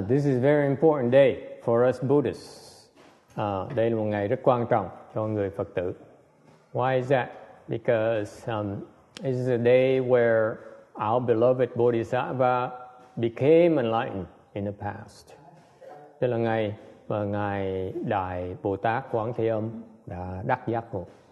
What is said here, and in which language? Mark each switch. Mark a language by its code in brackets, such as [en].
[en] This is a very important day for us Buddhists. [vi] Đây là một ngày rất quan trọng cho người Phật tử. [en] Why is that? Because this is a day where our beloved Bodhisattva became enlightened in the past. [vi] Đây là ngày mà Ngài Đại Bồ Tát Quán Thế Âm đã đắc giác ngộ.